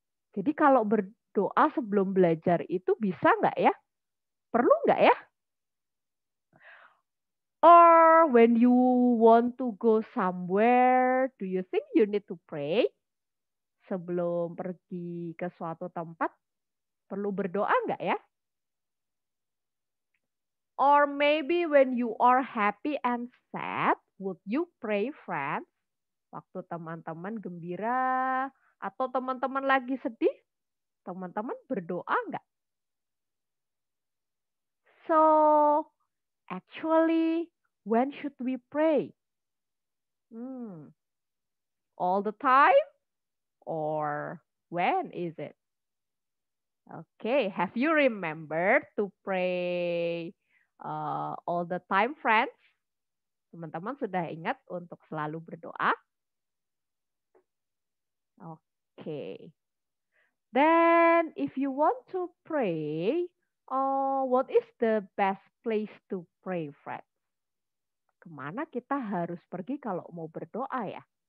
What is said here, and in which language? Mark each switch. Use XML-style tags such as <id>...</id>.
<id>Jadi kalau berdoa sebelum belajar itu bisa nggak ya? Perlu nggak ya?</id> <en>Or when you want to go somewhere, do you think you need to pray?</en> <id>Sebelum pergi ke suatu tempat, perlu berdoa nggak ya?</id> <en>Or maybe when you are happy and sad, would you pray, friends?</en> <id>Waktu teman-teman gembira atau teman-teman lagi sedih, teman-teman berdoa nggak?</id> <en>So, actually, when should we pray? All the time? Or when is it? Okay, have you remembered to pray all the time, friends?</en> <id>Teman-teman sudah ingat untuk selalu berdoa?</id> <en>Okay. Then, if you want to pray, what is the best place to pray, friends?</en> <id>Kemana kita harus pergi kalau mau berdoa ya?</id>